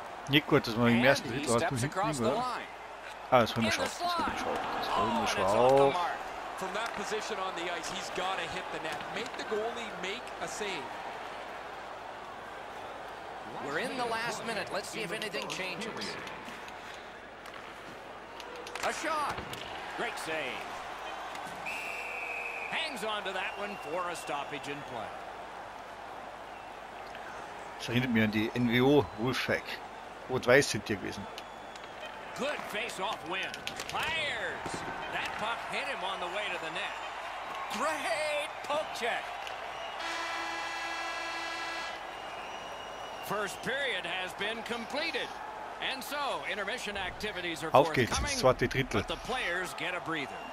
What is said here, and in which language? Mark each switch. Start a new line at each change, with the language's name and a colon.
German: Nicht gut, dass man im ersten Hit war, dass man hinten war. Ah, das holen wir schon auf. Das holen wir schon auf. Das holen wir schon auf.
English: From that position on the ice, he's got to hit the net. Make the goalie make a save. We're in the last minute. Let's see if anything changes. A shot. Great save. Hangs on to that one for a stoppage in play.
German: Das erinnert mich an die NWO Wolfpack. Rot-Weiß sind die gewesen.
English: Good face-off win. Fires. That puck hit him on the way to the net. Great poke check. First period has been completed. And so, intermission activities are forthcoming, but the players get a breather.